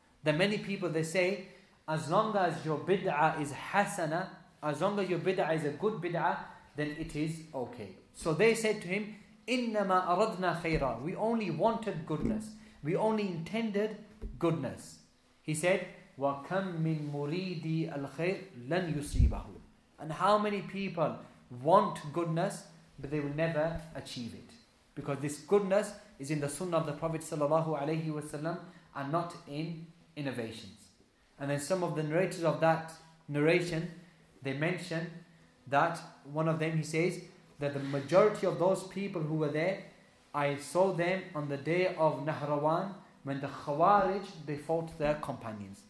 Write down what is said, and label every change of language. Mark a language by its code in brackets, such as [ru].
[en] That many people, they say, as long as your bid'ah is hasana, as long as your bid'ah is a good bid'ah, then it is okay. So they said to him, [ar] إِنَّمَا أَرَدْنَا خَيْرًا. [en] We only wanted goodness. We only intended goodness. He said, [ar] وَكَمْ مِنْ مُرِيدِي الْخَيْرِ لَنْ يُصِيبَهُ. [en] And how many people want goodness, but they will never achieve it. Because this goodness is in the sunnah of the Prophet sallallahu alayhi wa sallam and not in innovations. And then some of the narrators of that narration, they mention that one of them, he says, that the majority of those people who were there, I saw them on the day of Nahrawan when the Khawarij, they fought their companions.